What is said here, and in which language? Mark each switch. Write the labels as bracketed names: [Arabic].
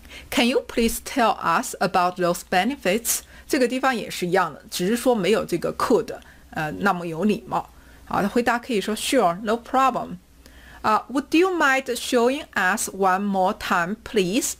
[English] Can you please tell us about those benefits? [Chinese] 这个地方也是一样的，只是说没有这个 could, 那么有礼貌。好的，回答可以说 [English] sure, no problem. Would you mind showing us one more time, please?